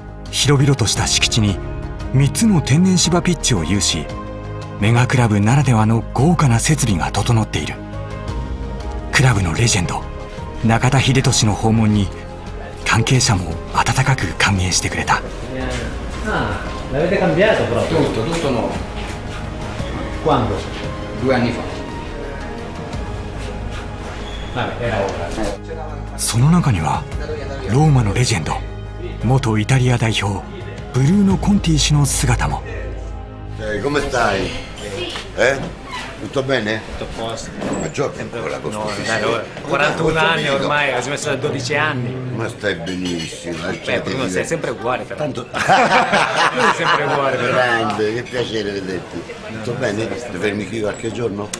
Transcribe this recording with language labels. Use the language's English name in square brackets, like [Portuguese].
[Japanese] 広々とした敷地に3つの天然芝ピッチを有し、メガクラブならではの豪華な設備が整っている。クラブのレジェンド中田英寿の訪問に関係者も温かく歓迎してくれた。 [Italian] Ah, la avete cambiato proprio. Tutto, tutto nuovo. Quando? Due anni fa. Vabbè, era ora. [Japanese] その中にはローマのレジェンド、元イタリア代表ブルーノ・コンティ氏の姿も。 [Italian] Come stai? Tutto bene? Tutto posto. Ma già tempo con la costruzione. 41 anni ormai, ho smesso da 12 anni. Ma stai benissimo. Primo, sei sempre uguale però. Tanto. Tu sei sempre uguale però. Grande, che piacere vederti. Tutto bene? Devi venire qui qualche giorno?